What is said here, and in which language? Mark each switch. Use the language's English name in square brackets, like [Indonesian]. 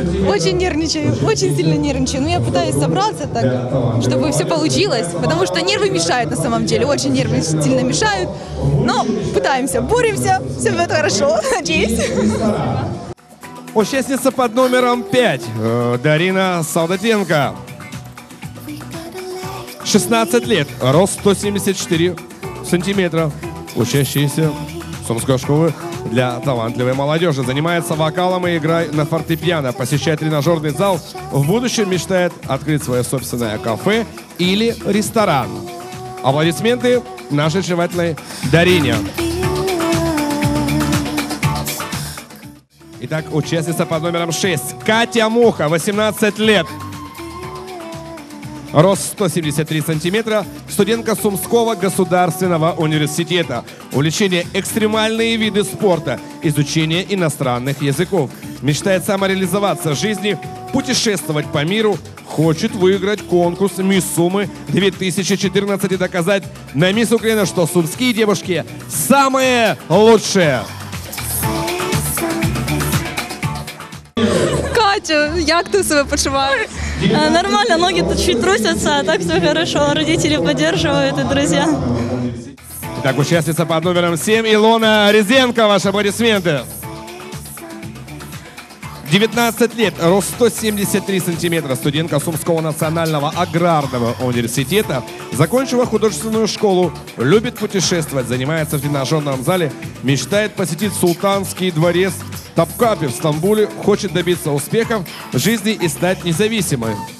[Ukrainian] Дуже нервничаю, дуже сильно нервничаю. Ну, я пытаюсь собратися так, щоб все вийшло, тому що нерви мішають [Russian] на самом деле, [Ukrainian] дуже нерви сильно мішають. Ну, [Russian] пытаемся, боремся, [Ukrainian] все буде хорошо, надіюсь. Учасниця під номером 5, Дарина Солдатенко. [Russian] 16 лет, рост 174 сантиметра, учащийся Сумской школы. Для талантливой молодежи. Занимается вокалом и играет на фортепиано. Посещает тренажерный зал. В будущем мечтает открыть свое собственное кафе или ресторан. Аплодисменты нашей очаровательной Дарине. Итак, участница под номером 6. Катя Муха, 18 лет. Рост 173 сантиметра, студентка Сумского государственного университета. Увлечение – экстремальные виды спорта, изучение иностранных языков. Мечтает самореализоваться в жизни, путешествовать по миру. Хочет выиграть конкурс «Мисс Сумы 2014» и доказать на «Мисс Украина», что сумские девушки – самые лучшие. [Ukrainian] Катя, як ти себе почуваєш? [Russian] Нормально, ноги чуть трусятся, а так все хорошо. Родители поддерживают и друзья. Итак, участница под номером 7 Илона Резенко. Ваши аплодисменты. 19 лет, рост 173 сантиметра, студентка Сумского национального аграрного университета, закончила художественную школу, любит путешествовать, занимается в тренажерном зале, мечтает посетить Султанский дворец Топкапи в Стамбуле, хочет добиться успехов в жизни и стать независимой.